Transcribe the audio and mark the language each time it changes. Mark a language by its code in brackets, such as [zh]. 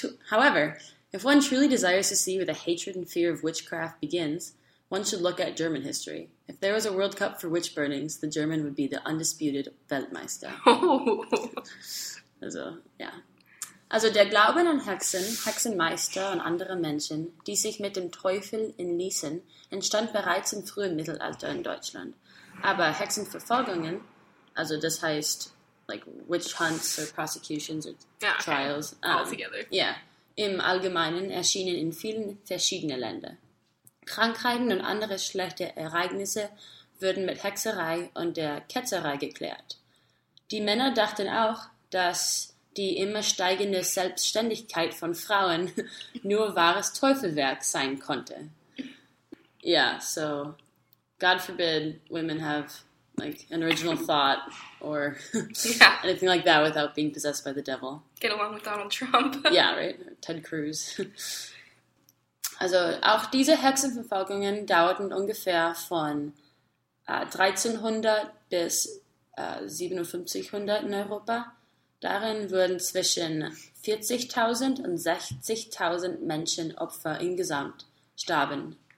[en] However, if one truly desires to see where the hatred and fear of witchcraft begins, one should look at German history. If there was a World Cup for witch burnings, the German would be the undisputed Weltmeister. Also, yeah. [de] Also der Glauben an Hexen, Hexenmeister und andere Menschen, die sich mit dem Teufel in ließen, entstand bereits im frühen Mittelalter in Deutschland. Aber Hexenverfolgungen, also das heißt, [en] like witch hunts or prosecutions or trials, [de] im Allgemeinen erschienen in vielen verschiedenen Ländern. Krankheiten und andere schlechte Ereignisse würden mit Hexerei und der Ketzerei geklärt. Die Männer dachten auch, dass die immer steigende Selbstständigkeit von Frauen nur wahres Teufelwerk sein konnte. [en] Yeah, so, God forbid women have, like, an original thought or anything like that without being possessed by the devil. Get along with Donald Trump. Yeah, right? Ted Cruz. [de] Also, auch diese Hexenverfolgungen dauerten ungefähr von 1300 bis 5700 in Europa. Darin wurden zwischen 40.000 und 60.000 Menschen Opfer insgesamt starben.